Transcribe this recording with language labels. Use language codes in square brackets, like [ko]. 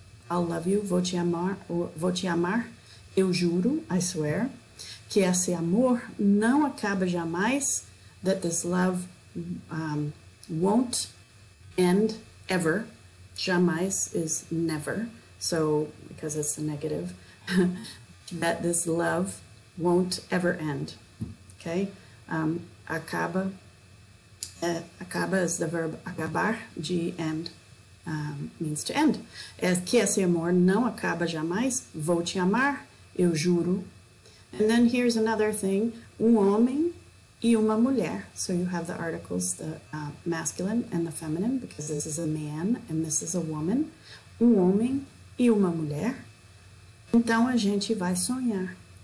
[en] I'll love you, [pt] vou te amar, eu juro, [en] I swear, [pt] que esse amor não acaba jamais, [en] that this love won't end ever, jamais is never, so, because it's a negative, that this love won't ever end, okay, acaba is the verb acabar, de end. Means to end. [pt] Que esse amor não acaba jamais. Vou te amar, eu juro. [en] And then here's another thing. [pt] Homem e uma mulher. [en] So you have the articles, the masculine and the feminine, because this is a man and this is a woman. [pt] Homem e uma mulher. Então a gente vai sonhar.